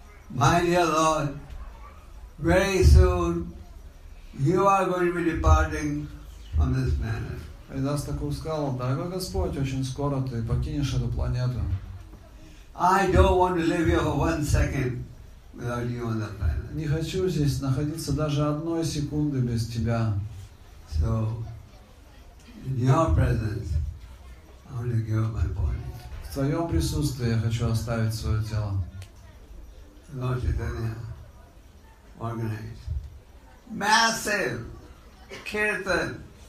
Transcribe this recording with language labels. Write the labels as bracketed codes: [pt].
[en] My dear Lord, very soon you are going to be departing from this planet. [ru] Харидас так сказал: дорогой Господь, очень скоро ты покинешь эту планету. [en] I don't want to live here for one second. Without you on that planet. [ru] Не хочу здесь находиться даже одной секунды без тебя. [en] So, in your presence, I want to give up my body. [ru] В твоем присутствии я хочу оставить свое тело. [en] Lord Chaitanya organized massive kirtan.